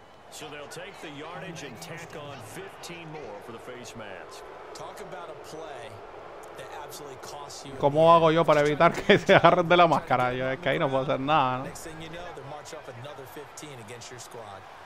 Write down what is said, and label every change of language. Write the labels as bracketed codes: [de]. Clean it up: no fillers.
[en] So they'll take the yardage and tack on 15 more for the face mask. Talk about a play that absolutely costs you. [es] ¿Cómo hago yo para evitar que se agarren de la máscara? Yo es que ahí no puedo hacer nada, ¿no? [en] Next thing you know, they'll march off another 15 against your squad.